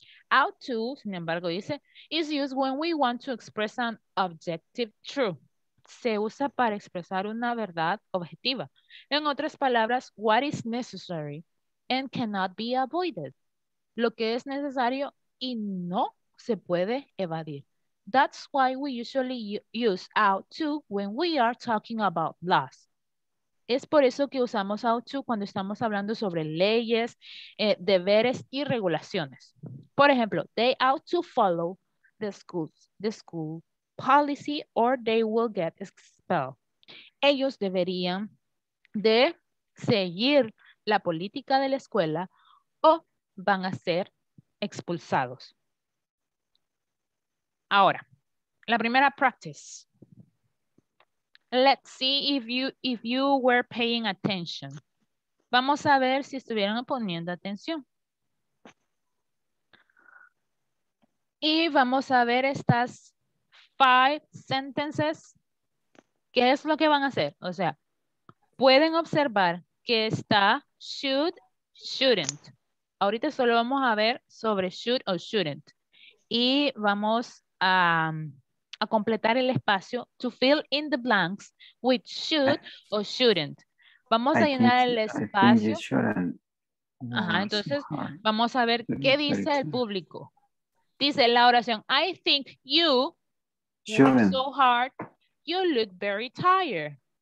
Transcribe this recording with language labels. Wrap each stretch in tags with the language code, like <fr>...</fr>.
<en>Ought to,</en> <es>sin embargo, dice,</es> <en>is used when we want to express an objective truth.</en> <es>Se usa para expresar una verdad objetiva. En otras palabras,</es> <en>what is necessary and cannot be avoided.</en> <es>Lo que es necesario y no se puede evadir.</es> <en>That's why we usually use ought to when we are talking about laws.</en> <es>Es por eso que usamos ought to cuando estamos hablando sobre leyes, deberes y regulaciones. Por ejemplo,</es> <en>they ought to follow the school policy or they will get expelled.</en> <es>Ellos deberían de seguir la política de la escuela o van a ser expulsados. Ahora, la primera practice.</es> <en>Let's see if you were paying attention.</en> <es>Vamos a ver si estuvieron poniendo atención. Y vamos a ver estas 5 sentences. ¿Qué es lo que van a hacer? O sea, pueden observar que está should, shouldn't. Ahorita solo vamos a ver sobre should o shouldn't. Y vamos a completar el espacio</es> <en>to fill in the blanks with should</en> <es>o shouldn't. Vamos a llenar el espacio. Ajá, entonces vamos a ver qué dice el público. Dice la oración,</es> <en>I think you work so hard, you look very tired.</en>